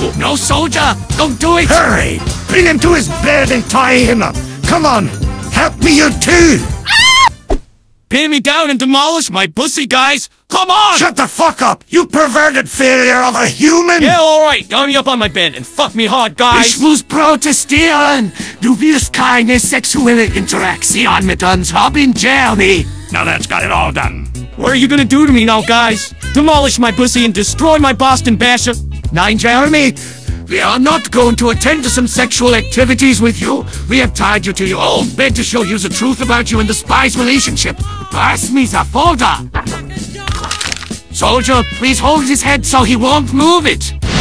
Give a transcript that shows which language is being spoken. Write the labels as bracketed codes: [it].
[en] No, soldier. Don't do it. Hurry. Bring him to his bed and tie him up. Come on. Help me, you two. Pin me down and demolish my pussy, guys. Come on! Shut the fuck up, you perverted failure of a human! Yeah, alright, tie me up on my bed and fuck me hard, guys! [de] Ich muss protestieren! Du wirst keine sexuelle Interaktion mit uns haben, Jeremy! [en] Now that's got it all done. What are you gonna do to me now, guys? Demolish my pussy and destroy my Boston basher? [de] Nein, Jeremy! [en] We are not going to attend to some sexual activities with you. We have tied you to your own bed to show you the truth about you and the spy's relationship. Pass me the folder! Soldier, please hold his head so he won't move it!